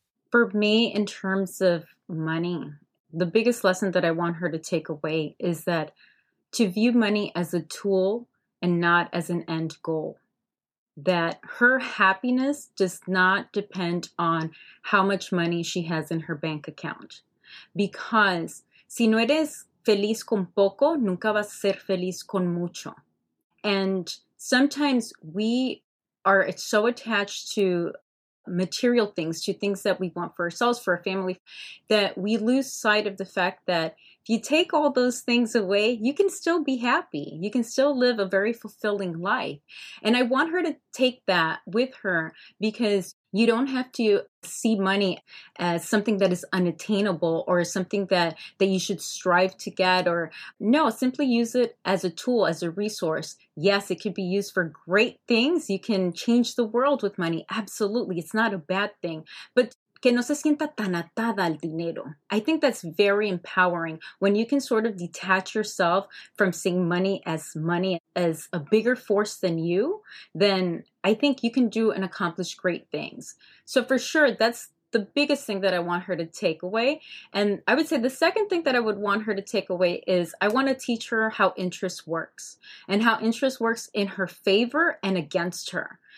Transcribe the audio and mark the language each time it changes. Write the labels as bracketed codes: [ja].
[en] For me, in terms of money, the biggest lesson that I want her to take away is that to view money as a tool and not as an end goal, that her happiness does not depend on how much money she has in her bank account. Because [es] si no eres feliz con poco, nunca vas a ser feliz con mucho. [en] And sometimes we are so attached to material things, to things that we want for ourselves, for our family, that we lose sight of the fact that if you take all those things away, you can still be happy. You can still live a very fulfilling life. And I want her to take that with her, because you don't have to see money as something that is unattainable or something that you should strive to get. Or no, simply use it as a tool, as a resource. Yes, it could be used for great things. You can change the world with money. Absolutely. It's not a bad thing. But [es] que no se sienta tan atada al dinero. [en] I think that's very empowering when you can sort of detach yourself from seeing money, as a bigger force than you, then I think you can do and accomplish great things. So for sure, that's the biggest thing that I want her to take away. And I would say the second thing that I would want her to take away is I want to teach her how interest works and how interest works in her favor and against her.